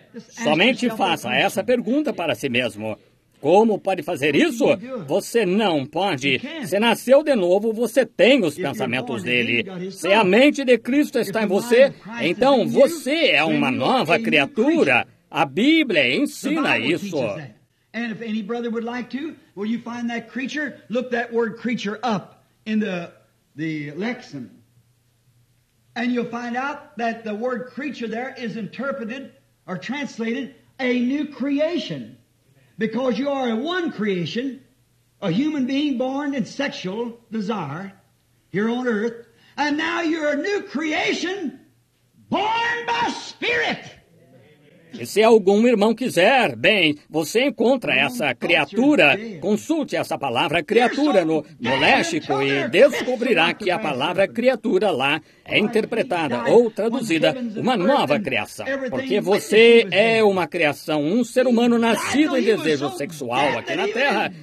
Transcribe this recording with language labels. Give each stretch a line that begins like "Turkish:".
Portuguese: Somente faça essa pergunta para si mesmo. Como pode fazer isso? Você não pode. Se nasceu de novo, você tem os pensamentos dele. Se a mente de Cristo está em você, então você é uma nova criatura. A Bíblia ensina isso.
English: And if any brother would like to, will you find that creature? Look that word creature up in the lexicon. And you'll find out that the word creature there is interpreted or translated a new creation. Because you are a one creation, a human being born in sexual desire here on earth, and now you're a new creation born by spirit.
Portuguese: E se algum irmão quiser, bem, você encontra essa criatura, consulte essa palavra criatura no léxico e descobrirá que a palavra criatura lá é interpretada ou traduzida uma nova criação. Porque você é uma criação, um ser humano nascido em desejo sexual aqui na Terra.